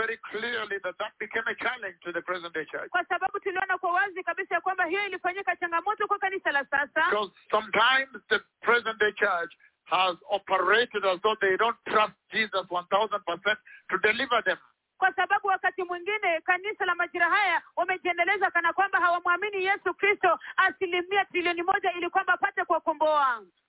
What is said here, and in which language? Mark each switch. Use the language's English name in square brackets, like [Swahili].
[English] clearly that became a challenge to the present day church. [Swahili] Kwa sababu tuliona kwa wazi kabisa ya kwamba hiyo ilifanyika changamoto kwa kanisa la sasa. [English] Because sometimes the present day church has operated as though they don't trust Jesus 1000% to deliver them. [Swahili] Kwa sababu wakati mwingine kanisa la majira haya wamejiendeleza kana kwamba hawamwamini Yesu Kristo asilimia trilioni moja ili kwamba apate kuwakomboa.